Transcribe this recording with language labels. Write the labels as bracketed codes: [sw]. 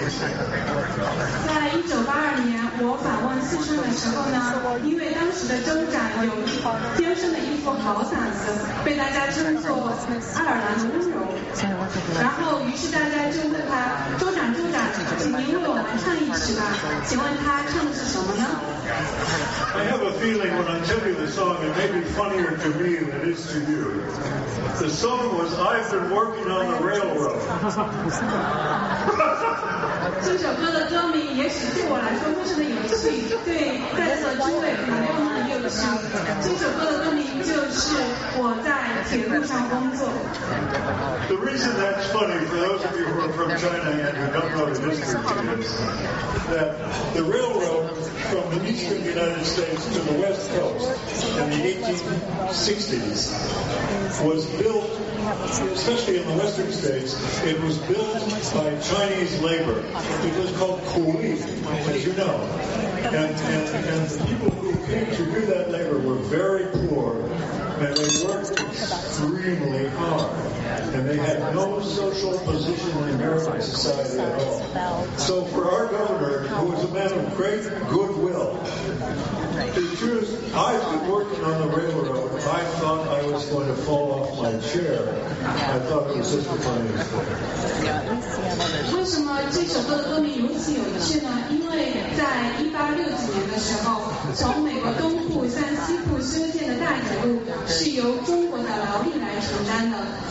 [zh] 在1982年，我访问四川的时候呢，因为当时的州长有天生的一副好嗓子，被大家称作爱尔兰的温柔。然后，于是大家就问他：“州长，州长，请您为我们唱一曲吧？” 请问他唱的是什么呢？ [en] I have a feeling when I tell you the song, it may be funnier to me than it is to you. The song was I've Been Working on the Railroad. [zh] 这首歌的歌名也许对我来说非常的有趣，对在座诸位朋友们也有是这首歌的歌名就是我在铁路上工作。 [en] The reason that's funny for those of you who are from China and who don't know the history is that the railroad from the eastern United States to the west coast in the 1860s was built, especially in the western states, it was built by Chinese labor. It was called Kuli, as you know. And the people who came to do that labor were very poor. And they worked extremely hard. And they had no social position in American society at all. So for our governor, who was a man of great goodwill, the truth, I've been working on the railroad. I thought I was going to fall off my chair. I thought it was just the funniest thing. [zh] 为什么这首歌的歌名如此有趣呢？因为在1860年的时候，从美国东部向西部修建的大铁路是由中国的劳力来承担的。